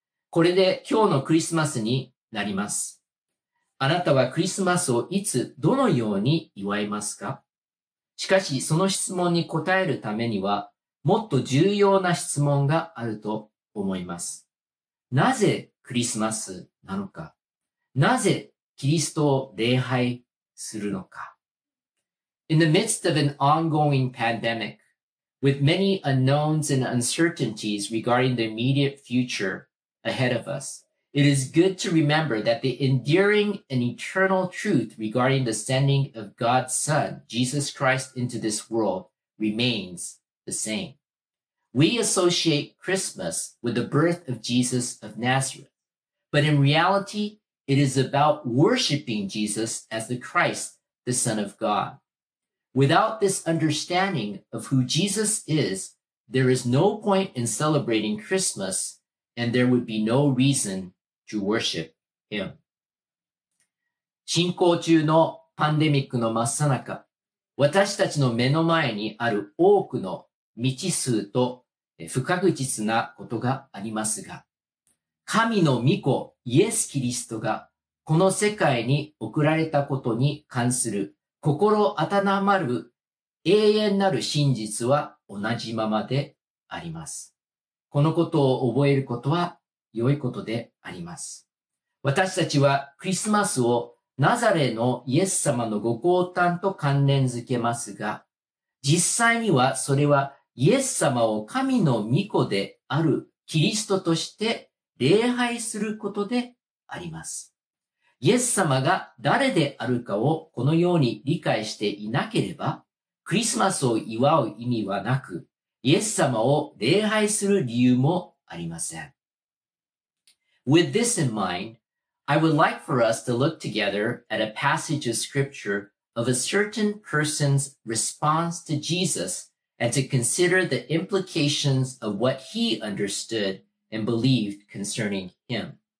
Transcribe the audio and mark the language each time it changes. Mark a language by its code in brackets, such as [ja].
[ja] これで今日のクリスマスになります。あなたはクリスマスをいつどのように祝いますか？しかしその質問に答えるためにはもっと重要な質問があると思います。なぜクリスマスなのか？なぜキリストを礼拝するのか？ [en] In the midst of an ongoing pandemic, with many unknowns and uncertainties regarding the immediate future ahead of us, it is good to remember that the enduring and eternal truth regarding the sending of God's Son, Jesus Christ, into this world remains the same. We associate Christmas with the birth of Jesus of Nazareth. But in reality, it is about worshiping Jesus as the Christ, the Son of God. Without this understanding of who Jesus is, there is no point in celebrating Christmas, and there would be no reason to worship Him. [ja] 進行中のパンデミックの真っ最中、私たちの目の前にある多くの未知数と不確実なことがありますが、神の御子イエス・キリストがこの世界に送られたことに関する心温まる永遠なる真実は同じままであります。このことを覚えることは良いことであります。私たちはクリスマスをナザレのイエス様のご降誕と関連づけますが、実際にはそれはイエス様を神の御子であるキリストとして礼拝することであります。イエス様が誰であるかをこのように理解していなければ、クリスマスを祝う意味はなく、イエス様を礼拝する理由もありません。 [en] With this in mind, I would like for us to look together at a passage of scripture of a certain person's response to Jesus and to consider the implications of what he understood and believed concerning him.